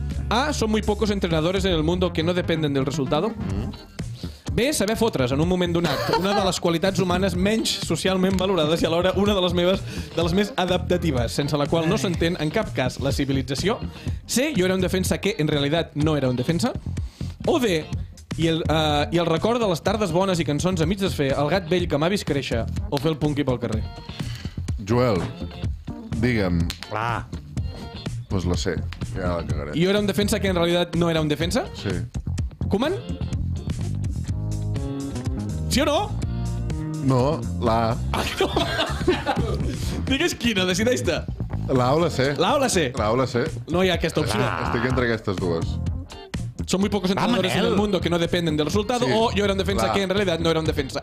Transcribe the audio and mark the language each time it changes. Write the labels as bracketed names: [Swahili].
[Spanish] A, son muy pocos entrenadores en el mundo que no dependen del resultado. [Catalan] Bé, saber fotre's en un moment donat. Una de les qualitats humanes menys socialment valorades i alhora una de les meves, de les més adaptatives, sense la qual no s'entén en cap cas la civilització. C, jo era un defensa que en realitat no era un defensa. O D, i el record de les tardes bones i cançons a mig desfer, el gat vell que m'ha vist créixer, o fer el punky pel carrer. Joel, digue'm. Clar. Pues la C, ja la cagaré. Jo era un defensa que en realitat no era un defensa? Sí. Koeman? Sí o no? No, la A. Ah, no. Digues quina, decideix-te. La A o la C. La A o la C. La A o la C. No hi ha aquesta opció. Estic entre aquestes dues. [Spanish] Son muy pocos entrenadores en el mundo que no dependen del resultado, sí. O yo era un defensa la. Que en realidad no era un defensa.